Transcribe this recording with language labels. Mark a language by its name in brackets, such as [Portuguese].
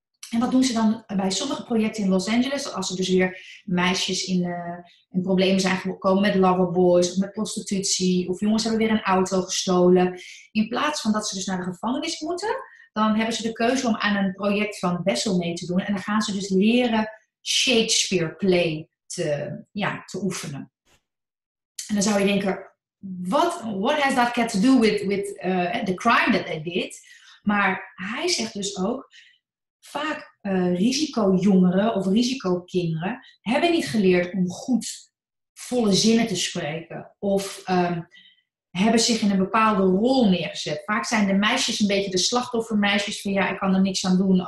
[Dutch] En wat doen ze dan bij sommige projecten in Los Angeles? Als er dus weer meisjes in problemen zijn gekomen met loverboys of met prostitutie. Of jongens hebben weer een auto gestolen. In plaats van dat ze dus naar de gevangenis moeten, dan hebben ze de keuze om aan een project van Bessel mee te doen. En dan gaan ze dus leren Shakespeare play te oefenen. En dan zou je denken, [English] what has that got to do with the crime that they did? [Dutch] Maar hij zegt dus ook, vaak risicojongeren of risicokinderen hebben niet geleerd om goed volle zinnen te spreken. Of hebben zich in een bepaalde rol neergezet. Vaak zijn de meisjes een beetje de slachtoffermeisjes van, ja, ik kan er niks aan doen.